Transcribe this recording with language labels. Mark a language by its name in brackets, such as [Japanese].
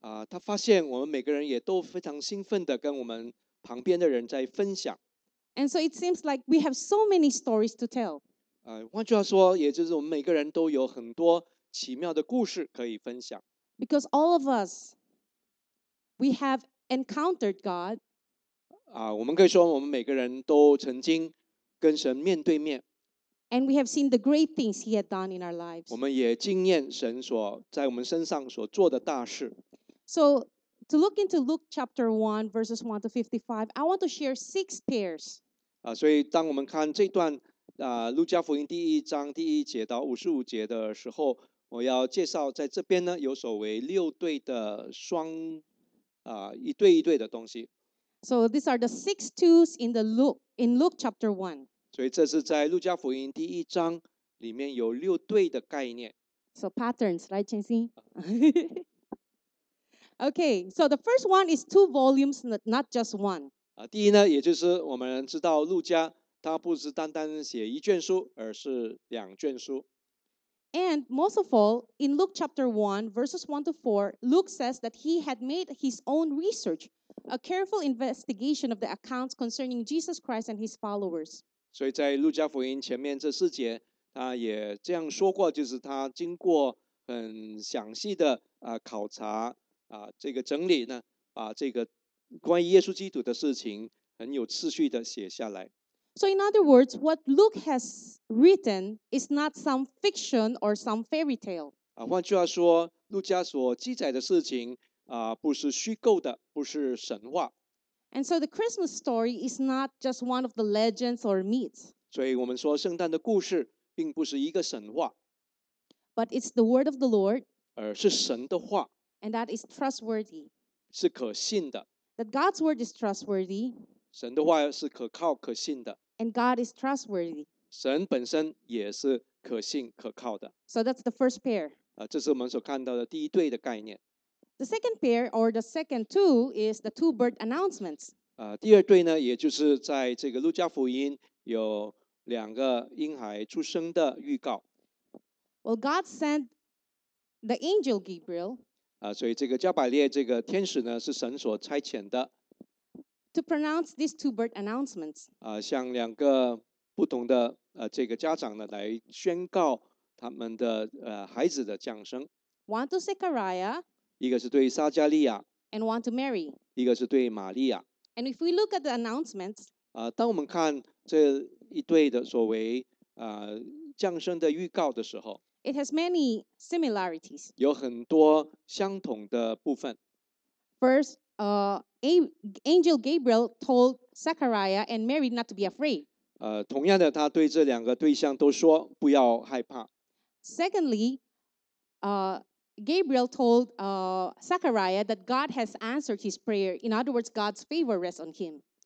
[Chinese] 他发现我们每个人也都非常兴奋地跟我们旁边的人在分享。 [English] And so it seems like we have so many stories to tell. [Chinese] 换句话说，也就是我们每个人都有很多奇妙的故事可以分享。 [English] Because all of us, we have encountered God. [Chinese] 我们可以说我们每个人都曾经跟神面对面。 [English] And we have seen the great things He had done in our lives. [Chinese] 我们也经验神所在我们身上所做的大事。 [English] So, to look into Luke chapter 1, verses 1 to 55, I want to share six pairs. [Chinese] 所以当我们看这段路加福音第一章第一节到五十五节的时候，我要介绍在这边呢有所谓六对的双一对一对的东西。 [English] So these are the six twos in Luke chapter 1. [Chinese] 所以这是在路加福音第一章里面有六对的概念。 [English] So patterns, right, Chinxin? Okay, so the first one is two volumes, not just one. [Chinese] 第一呢，也就是我们知道路加他不是单单写一卷书，而是两卷书。 [English] And most of all, in Luke chapter 1, verses 1 to 4, Luke says that he had made his own research, a careful investigation of the accounts concerning Jesus Christ and his followers. [Chinese] 所以在路加福音前面这四节，他也这样说过，就是他经过很详细的考察这个整理呢，把这个关于耶稣基督的事情很有次序的写下来。 [English] So in other words, what Luke has written is not some fiction or some fairy tale. [Chinese] 换句话说，路加所记载的事情不是虚构的，不是神话。 [English] And so the Christmas story is not just one of the legends or myths. [Chinese] 所以我们说圣诞的故事并不是一个神话。 [English] But it's the word of the Lord. [Chinese] 而是神的话。 [English] And that is trustworthy. [Chinese] 是可信的。 [English] That God's word is trustworthy. [Chinese] 神的话是可靠可信的。 [English] And God is trustworthy. [Chinese] 神本身也是可信可靠的。 [English] So that's the first pair. [Chinese] 这是我们所看到的第一对的概念。 [English] The second pair, or the second two, is the two birth announcements. [Chinese] 第二对呢，也就是在这个路加福音有两个婴孩出生的预告。 [English] Well, God sent the angel Gabriel. [Chinese] 所以这个加百列这个天使呢，是神所差遣的。 [English] To pronounce these two birth announcements. [Chinese] 向两个不同的这个家长呢来宣告他们的孩子的降生。 [English] One to Zechariah. [Chinese] 一个是对撒加利亚。 [English] And one to Mary. [Chinese] 一个是对玛利亚。 [English] And if we look at the announcements. [Chinese] 当我们看这一对的所谓降生的预告的时候。 [English] It has many similarities. [Chinese] 有很多相同的部分。 [English] First, Angel Gabriel told Zechariah and Mary not to be afraid. [Chinese] 同样的，他对这两个对象都说不要害怕。 [English] Secondly, Gabriel told Zechariah that God has answered his prayer. In other words, God's favor rests on him.